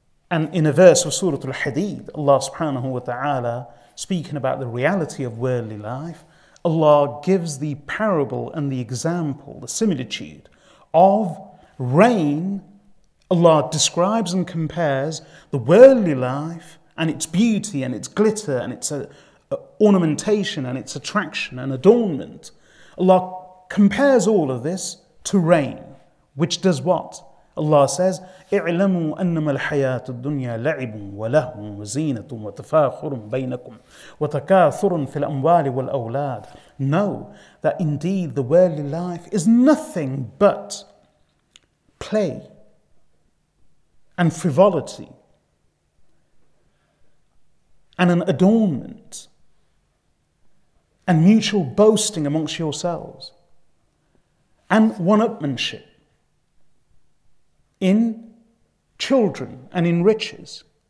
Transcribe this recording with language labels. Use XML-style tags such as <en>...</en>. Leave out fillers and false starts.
<en>And in a verse of Surah Al-Hadid, Allah subhanahu wa ta'ala, speaking about the reality of worldly life, Allah gives the parable and the example, the similitude of rain. Allah describes and compares the worldly life and its beauty and its glitter and its ornamentation and its attraction and adornment. Allah compares all of this to rain, which does what?</en> <ar>Allah says, اعلموا أنما الحياة الدنيا لعب ولهم وزينة وتفاخر بينكم وتكاثر في الأموال والأولاد.</ar> <en>Know that indeed the worldly life is nothing but play and frivolity and an adornment and mutual boasting amongst yourselves and one-upmanship in children and in riches.</en>